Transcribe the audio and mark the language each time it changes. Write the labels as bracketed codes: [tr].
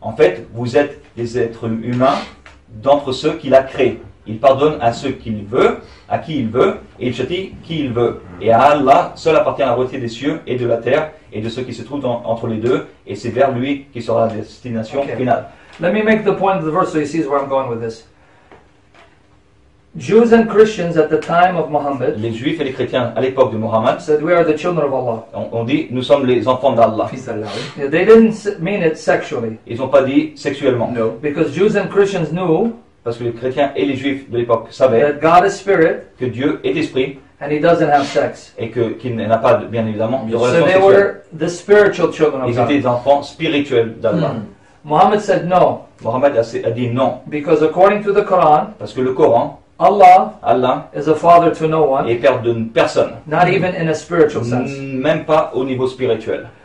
[fr] En fait, vous êtes des êtres humains d'entre ceux qu'il a créés. Il pardonne à ceux qu'il veut, à qui il veut, et il châtie qui il veut. Et à Allah, seul appartient la royauté des cieux et de la terre et de ceux qui se trouvent entre les deux, et c'est vers lui qui sera la destination finale. » [en] Let me make the point of the verse so he sees where I'm going with this. Jews and Christians at the time of Muhammad. [fr] Les Juifs et les chrétiens à l'époque de Muhammad. [en] Said we are the children of Allah. [fr] On dit nous sommes les enfants d'Allah. Fils d'Allah. Oui. [en] Yeah, they didn't mean it sexually. [fr] Ils n'ont pas dit sexuellement. [en] No. Because Jews and Christians knew. [fr] Parce que les chrétiens et les Juifs de l'époque savaient. [en] That God is spirit. [fr] Que Dieu est esprit. [en] And he doesn't have sex. [fr] Et qu'il n'a pas bien évidemment de relation sexuelle. [en] So they were the spiritual children of God. [fr] Ils étaient des enfants spirituels d'Allah. Mm. [en] Muhammad said no. [fr] Muhammad a dit non. [en] Because according to the Quran. [fr] Parce que le Coran. [en] Allah is a father to no one. [fr] Est père de personne. [en] Not even in a spiritual sense. [fr] Même pas au niveau spirituel.